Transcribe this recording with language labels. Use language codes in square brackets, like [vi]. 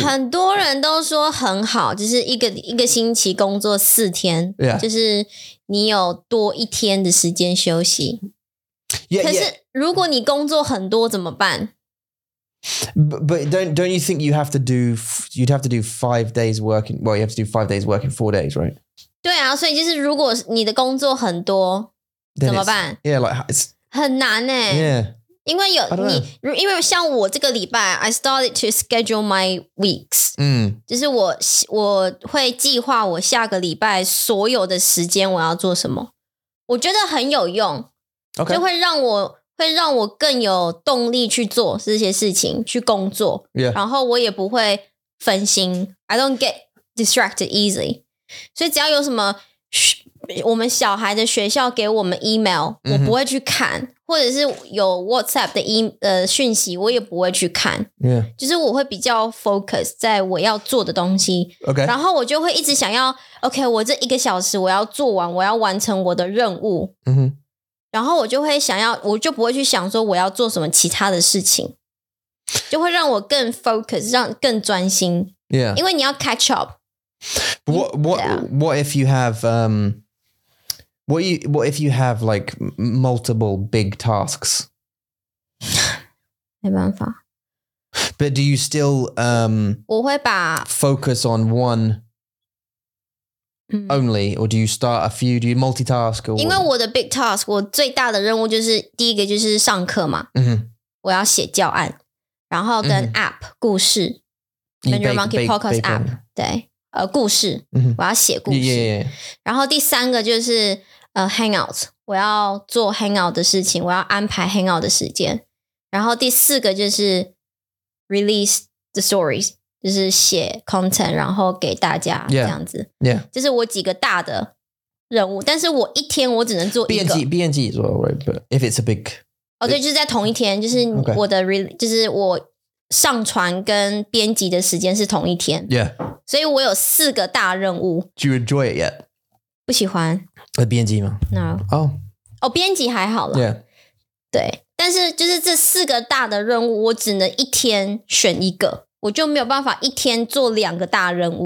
[zh] 很多人都说很好就是一个星期工作四天、 [en] yeah. [zh] 就是你有多一天的时间休息。 [en] Yeah, [zh] 可是如果你工作很多怎么办 [en] but don't you think you'd have to do 5 days working, well, you have to do 5 days working 4 days, right? [zh] 对啊所以就是如果你的工作很多怎么办 [en] Yeah, like, it's... [zh] 很难欸 [en] yeah. [zh] 因为有你因为像我这个礼拜 [en] I started to schedule my weeks、 mm. [zh] 就是我会计划我下个礼拜所有的时间我要做什么我觉得很有用、 [en] okay. [zh] 就会让我更有动力去做这些事情去工作、 [en] yeah. [zh] 然后我也不会分心 [en] I don't get distracted easily [zh] 所以只要有什么我们小孩的学校给我们 email 我不会去看、mm-hmm. 或者是有 WhatsApp 的讯息我也不会去看、 [en] yeah. [zh] 就是我会比较 focus 在我要做的东西、 [en] okay. [zh] 然后我就会一直想要 OK 我这一个小时我要做完我要完成我的任务、 [en] mm-hmm. [zh] 然后我就会想要我就不会去想说我要做什么其他的事情就会让我更 focus 让更专心、 [en] yeah. [zh] 因为你要 catch up [en] What if you haveWhat if you have like multiple big tasks? [zh] 没办法。 [en] But do you still [zh] 我会把 [en] focus on one only, or do you start a few? Do you multitask? Or [zh] 因为我的 big task, 我最大的任务就是第一个就是上课嘛。 [en] Mm-hmm. [zh] 我要写教案，然后跟 app、mm-hmm. 故事 ，Mandarin Monkey Podcast app 对，故事， [en] mm-hmm. [zh] 我要写故事。 [en] Yeah, yeah, yeah. [zh] 然后第三个就是hangout, 我要做 hangout 的事情，我要安排 hangout 的时间。然后第四个就是 [en] release the stories. [zh] 就是写 content 然后给大家 [en] yeah, [zh] 这样子 [en] yeah. [zh] 就是我几个大的任务但是我一天我只能做一个 [en] BNG is alright but if it's a big [zh] 哦对就是在同一天就是我的、okay. 就是我上传跟编辑的时间是同一天 [en] yeah [zh] 所以我有四个大任务 [en] Do you enjoy it yet? [zh] 不喜欢 BNG 吗 [en] No [zh] 哦、oh. 哦编辑还好啦 [en] yeah [zh] 对但是就是这四个大的任务我只能一天选一个我就没有办法一天做两个大任务、